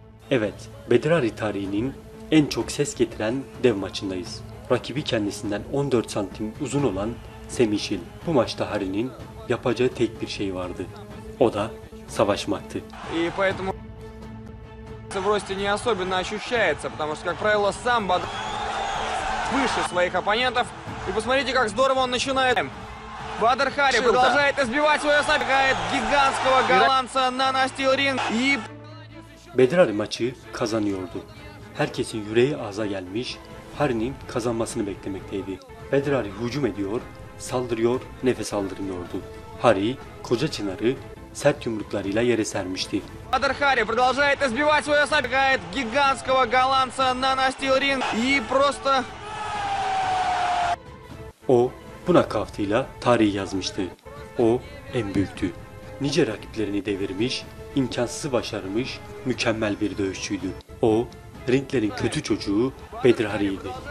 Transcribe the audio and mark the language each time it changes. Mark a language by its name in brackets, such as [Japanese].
[Turkish] Evet, Bedrari tarihinin en çok ses getiren dev maçındayız. Rakibi kendisinden 14 santim uzun olan Semişil. Bu maçta Harry'nin yapacağı tek bir şey vardı. O da savaşmaktı. [Russian] В росте не особенно ощущается, потому что, как правило, самбо выше своих оппонентов. И посмотрите, как здорово он начинает. Бадр Хари продолжает избивать своего соперника, гигантского голландца на настил ринг. И [Turkish] Бедрари матчи kazanıyordu. Herkesin yüreği ağza gelmiş, Harry'nin kazanmasını beklemekteydi. Bedrari hücum ediyor, saldırıyor, nefes aldırmıyordu. Harry, koca çınarı sert yumruklarıyla yere sermişti. [Russian] Бадр Хари продолжает избивать своего соперника, гигантского голландца на настил ринг и просто... [Turkish] O, bu nakavtıyla tarihi yazmıştı. O, en büyüktü. Nice rakiplerini devirmiş, imkansızı başarmış, mükemmel bir dövüşçüydü. O, ringlerin kötü çocuğu Bedir Hari'ydi.